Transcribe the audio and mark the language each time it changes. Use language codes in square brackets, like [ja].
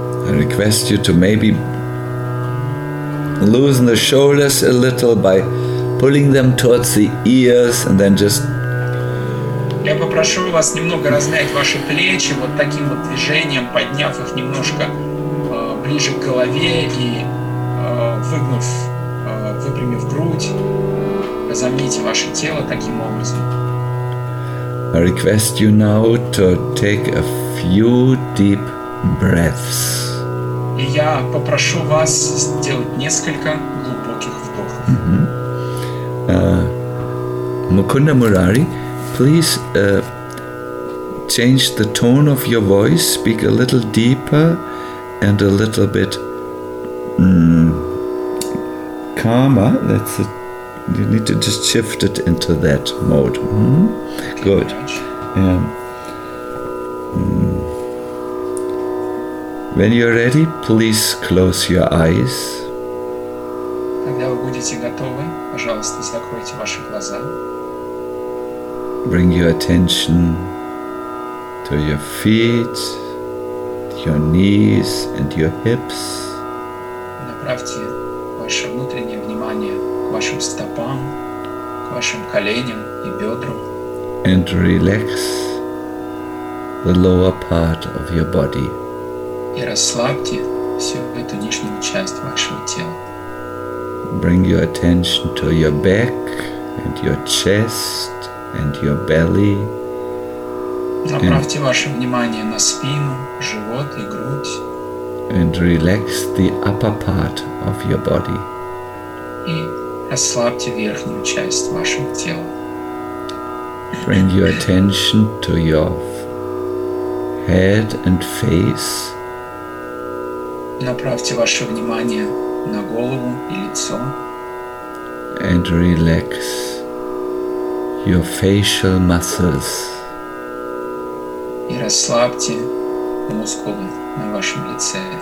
[en] Request you to maybe loosen the shoulders a little by pulling them towards the ears and then just. [ru] Я попрошу вас немного размять ваши плечи вот таким вот движением, подняв их немножко ближе к голове и выгнув, выпрямив грудь, разомните ваше тело таким образом. [en] I request you now to take a few deep breaths. [ru] И я попрошу вас сделать несколько глубоких вдохов. [en] Mukunda Murari, please change the tone of your voice, speak a little deeper and a little bit calmer. That's it. You need to just shift it into that mode. Good. When you're ready, please close your eyes. [ru] Когда вы будете готовы, пожалуйста, закройте ваши глаза. [en] Bring your attention to your feet, your knees and your hips. [ru] Направьте ваше внутреннее внимание к вашим стопам, к вашим коленям и бедрам. [en] And relax the lower part of your body. [ru] И расслабьте всю эту нижнюю часть вашего тела. [en] Bring your attention to your back and your chest and your belly. [ru] Направьте ваше внимание на спину, живот и грудь. [en] And relax the upper part of your body. [ru] И расслабьте верхнюю часть вашего тела. [en] Bring your attention to your head and face. [ru] Направьте ваше внимание на голову и лицо. [en] And relax your facial muscles. [ru] И расслабьте мускулы на вашем лице.